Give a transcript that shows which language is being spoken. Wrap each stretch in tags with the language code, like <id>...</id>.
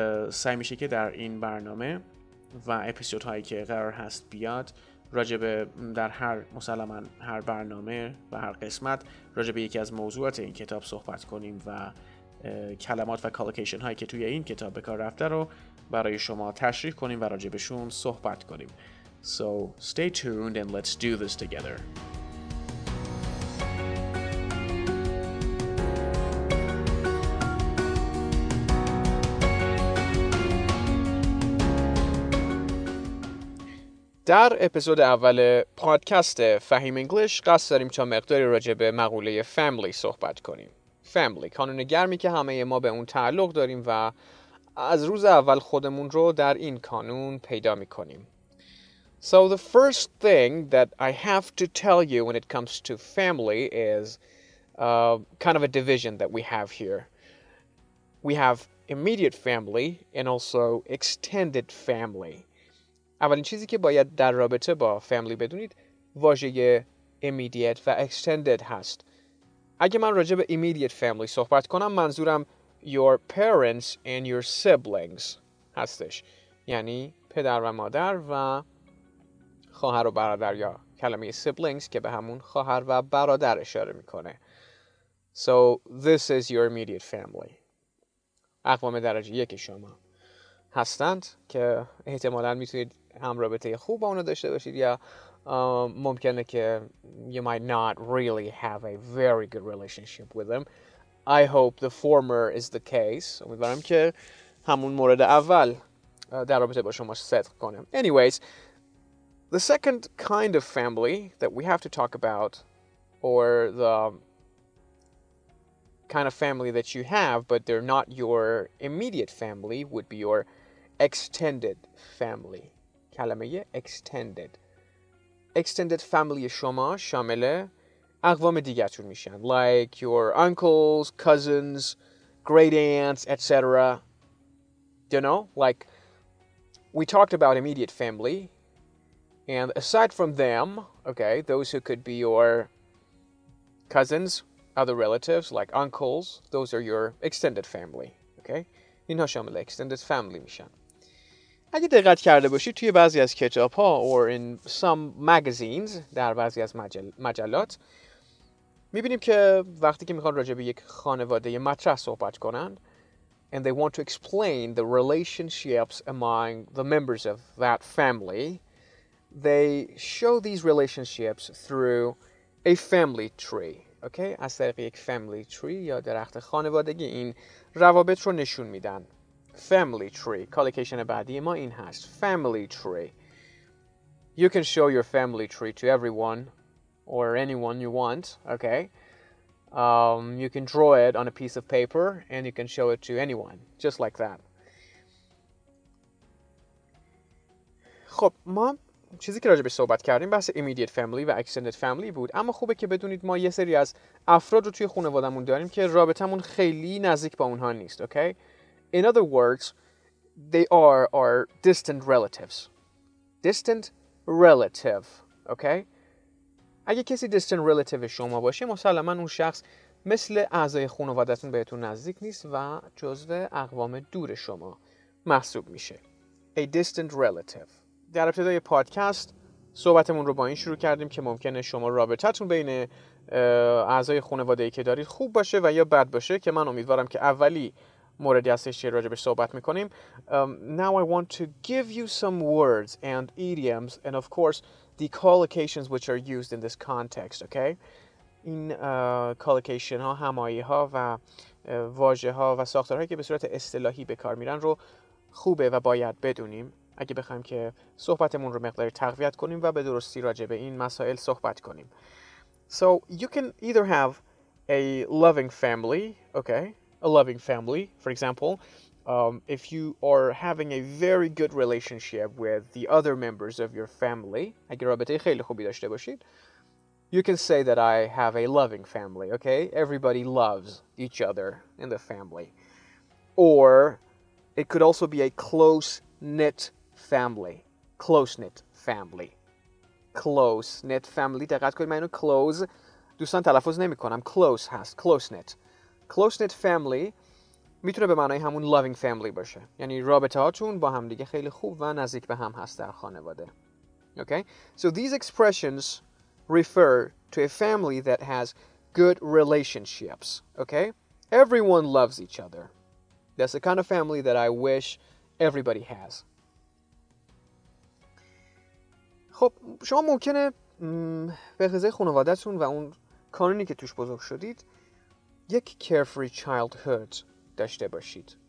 <fa>سعی میشه که در این برنامه و اپیزودهایی که قرار هست بیاد راجب در هر مسلماً هر برنامه و هر قسمت راجب یکی از موضوعات این کتاب صحبت کنیم و کلمات و کالوکیشن هایی که توی این کتاب به کار رفته رو برای شما تشریح کنیم و راجبشون صحبت کنیم.</fa> <en>So stay tuned and let's do this together.</en> <fa>در اپیزود اول پادکست فهیم انگلیش قصد داریم تا مقداری راجع به مقوله فامیلی صحبت کنیم. فامیلی، کانون گرمی که همه ما به اون تعلق داریم و از روز اول خودمون رو در این کانون پیدا می‌کنیم.</fa> <en>So the first thing that I have to tell you when it comes to family is kind of a division that we have here. We have immediate family and also extended family.</en> <fa>اولین چیزی که باید در رابطه با فامیلی بدونید واژه immediate و extended هست. اگه من راجع به immediate family صحبت کنم، منظورم</fa> <en>your parents and your siblings</en> <fa>هستش، یعنی پدر و مادر و خواهر و برادر، یا کلمه siblings که به همون خواهر و برادر اشاره میکنه.</fa> <en>So this is your immediate family.</en> <fa>اقوام درجه یک شما هستند که احتمالاً میتونید هم رابطه خوب با اونا داشته باشید، یا ممکنه که</fa> <en>you might not really have a very good relationship with them. I hope the former is the case.</en> <fa>امیدوارم که همون مورد اول در رابطه با شما صدق کنه.</fa> <en>Anyways, the second kind of family that we have to talk about, or the kind of family that you have but they're not your immediate family, would be your extended family.</en> <fa>کلمه extended. Extended family شما شامل اقوام دیگه‌تون میشن.</fa> <en>Like your uncles, cousins, great aunts, etc. You know, like we talked about immediate family. And aside from them, okay, those who could be your cousins, other relatives, like uncles, those are your extended family, okay?</en> <fa>اینها شامل extended family میشن. اگه دقت کرده باشید توی بعضی از کتاب ها</fa> <en>or in some magazines،</en> <fa>در بعضی از مجلات میبینیم که وقتی که میخوان راجع به یک خانواده مطرح صحبت کنند</fa> <en>and they want to explain the relationships among the members of that family، they show these relationships through a family tree.</en> <fa>Okay, از طریق یک family tree یا درخت خانوادگی این روابط رو نشون میدن.</fa> <en>Family tree.</en> <fa>Collocation بعدی ما این هست.</fa> <en>Family tree. You can show your family tree to everyone or anyone you want. Okay. You can draw it on a piece of paper and you can show it to anyone. Just like that.</en> <fa>خب ما چیزی که راجع به صحبت کردیم بحث immediate family و extended family بود. اما خوبه که بدونید ما یه سری از افراد رو توی خانوادمون داریم که رابطمون خیلی نزدیک با اونها نیست.</fa> <en>Okay. In other words, they are our distant relatives. Distant relative, okay?</en> <fa>اگه کسی distant relative شما باشه، مسلماً اون شخص مثل اعضای خانوادتون بهتون نزدیک نیست و جزو اقوام دور شما محسوب میشه.</fa> <en>A distant relative.</en> <fa>در ابتدای پادکست صحبتمون رو با این شروع کردیم که ممکنه شما رابطتون بین اعضای خانواده‌ای که دارید خوب باشه و یا بد باشه، که من امیدوارم که اولی موردی هستش که راجبش صحبت میکنیم.</fa> <en>Now I want to give you some words and idioms and of course the collocations which are used in this context, okay?</en> <fa>این کالکیشن ها، همایی ها و واژه ها و ساختارهایی که به صورت اصطلاحی به کار میرن رو خوبه و باید بدونیم اگه بخوایم که صحبتمون رو مقداری تقویت کنیم و به درستی راجع به این مسائل صحبت کنیم.</fa> <en>So you can either have a loving family, okay? A loving family, for example, if you are having a very good relationship with the other members of your family,</en> <fa>اگه رابطه خیلی خوبی داشته باشید,</fa> <en>you can say that I have a loving family, okay? Everybody loves each other in the family. Or it could also be a close-knit family. Close-knit family. Close-knit family.</en> <fa>دقت کنید من اینو close دوستان تلفظ نمی کنم. Close هست. Close-knit. Close-knit family میتونه به معنای همون loving family باشه. یعنی رابطه هاتون با هم دیگه خیلی خوب و نزدیک به هم هست در خانواده.</fa> <en>Okay? So these expressions refer to a family that has good relationships, okay? Everyone loves each other. That's the kind of family that I wish everybody has.</en> <fa>خب شما ممکنه به خزه خانوادتون و اون کانونی که توش بزرگ شدید یک carefree childhood داشته باشید.</fa>